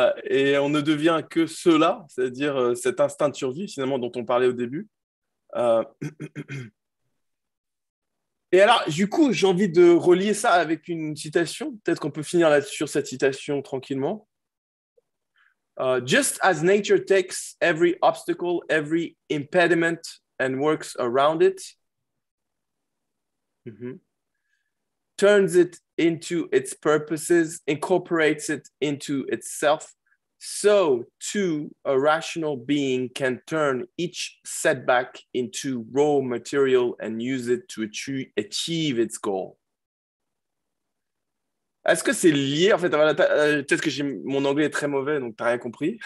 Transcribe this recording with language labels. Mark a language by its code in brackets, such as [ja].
[fr] Et on ne devient que cela, c'est-à-dire cet instinct de survie, finalement, dont on parlait au début. Et alors, du coup, j'ai envie de relier ça avec une citation. Peut-être qu'on peut finir sur cette citation tranquillement. [en] Just as nature takes every obstacle, every impediment and works around it, turns it into its purposes, incorporates it into itself, so too a rational being can turn each setback into raw material and use it to achieve its goal. [fr] Est-ce que c'est lié, en fait, peut-être que mon anglais est très mauvais, donc t'as rien compris.